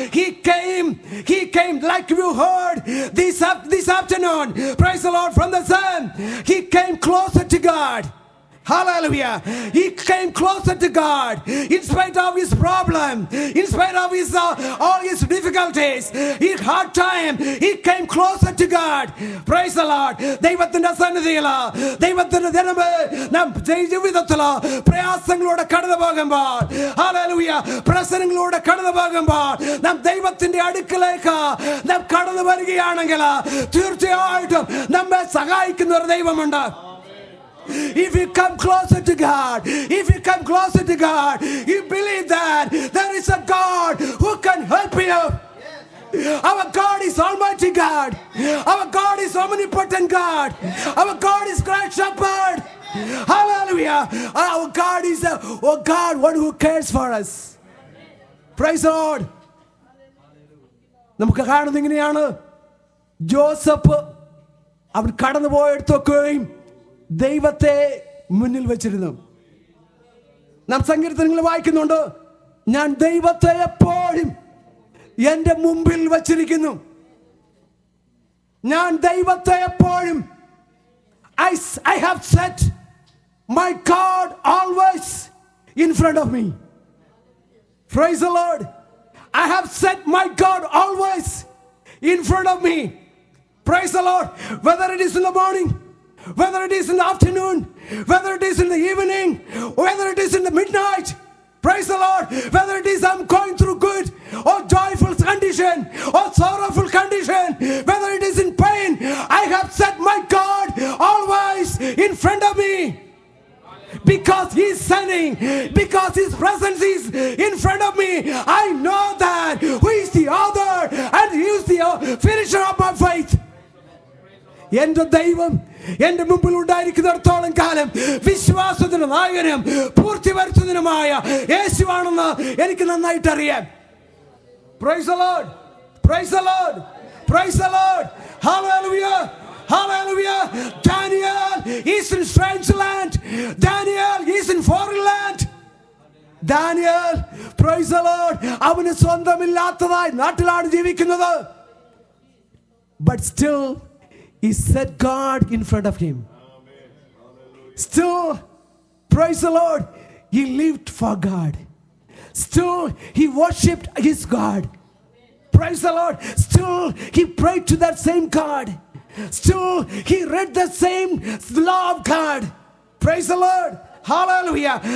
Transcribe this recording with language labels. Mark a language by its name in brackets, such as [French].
[English] He came like you heard this afternoon, praise the Lord, from the sun. He came closer to God. Hallelujah. He came closer to God in spite of his problem, in spite of his all his difficulties, his hard time. He came closer to God. Praise the Lord. [Malayalam] ദൈവത്തിന്റെ സന്നിധിയില, ദൈവത്തിന്റെ ദിനമേ, നാം ജീവിതത്തില പ്രയാസങ്ങളോടെ കടന്നു പോകുമ്പോൾ, hallelujah, പ്രശ്നങ്ങളോടെ കടന്നു പോകുമ്പോൾ, നാം ദൈവത്തിന്റെ അടുക്കലേക്ക് നാം കടന്നു വരികയാണെങ്കിൽ തീർച്ചയായിട്ടും നമ്മെ സഹായിക്കുന്ന ഒരു ദൈവമുണ്ട്. [English] If you come closer to God, if you come closer to God, you believe that there is a God who can help you. Our God is Almighty God. Our God is Omnipotent God. Our God is Great Shepherd. Hallelujah. Our God is a God, one who cares for us. Praise the Lord. [Malayalam] നമുക്ക് കാണുന്നത് ഇങ്ങനെയാണ്. Joseph അവൻ കടന്നു പോയിടത്തൊക്കെയും ദൈവത്തെ മുന്നിൽ വെച്ചിരുന്നു. നാം സങ്കീർത്തനങ്ങൾ വായിക്കുന്നുണ്ട്, ഞാൻ ദൈവത്തെ എപ്പോഴും എന്റെ മുമ്പിൽ വച്ചിരിക്കുന്നു. ഞാൻ ദൈവത്തെ എപ്പോഴും [English] I have set my God always in front of me. Praise the Lord. I have set my God always in front of me. Praise the Lord. Whether it is in the morning, whether it is in the afternoon, whether it is in the evening, whether it is in the midnight, praise the Lord, whether it is I'm going through good or joyful condition or sorrowful condition, whether it is in pain, I have set my God always in front of me. Because he's sending, because his presence is in front of me, I know that who is the author and who is the finisher of my faith. [Malayalam] എന്റെ ദൈവം എന്റെ മുമ്പിൽ ഉണ്ടായിരിക്കുന്നിടത്തോളം കാലം വിശ്വാസത്തിന്റെ നായകനും പൂർത്തി വരുത്തുന്നതിനുമായ യേശുവാണെന്ന് എനിക്ക് നന്നായിട്ട് അറിയാം. [English] Praise the Lord, praise the Lord, praise the Lord. Hallelujah, hallelujah. Daniel is in strange land, Daniel is in foreign land. [Malayalam] Daniel, [English] praise the Lord, [Malayalam] അവന് സ്വന്തമില്ലാത്തതായി നാട്ടിലാണ് ജീവിക്കുന്നത്. [English] But still He set God in front of him. Amen. Still, praise the Lord, he lived for God. Still, he worshipped his God. Praise the Lord. Still, he prayed to that same God. Still, he read the same law of God. Praise the Lord. Hallelujah.